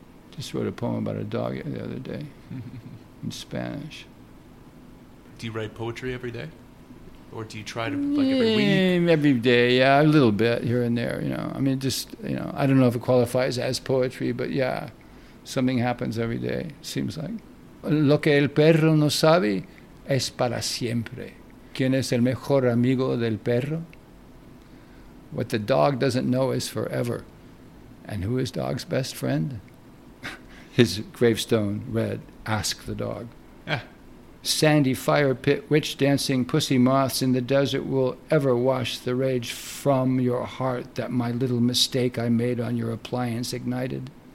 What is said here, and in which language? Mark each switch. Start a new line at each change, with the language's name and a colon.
English: Just wrote a poem about a dog the other day in Spanish. Do you write poetry every day? Or do you try to, every week? Every day, yeah, a little bit here and there, you know. I mean, just, you know, I don't know if it qualifies as poetry, but yeah, something happens every day, seems like.
Spanish: Lo que el perro no sabe es para siempre. ¿Quién es el mejor amigo del perro?
English: What the dog doesn't know is forever. And who is dog's best friend? His gravestone read, ask the dog. Yeah. Sandy fire pit, witch dancing, pussy moths in the desert will ever wash the rage from your heart that my little mistake I made on your appliance ignited.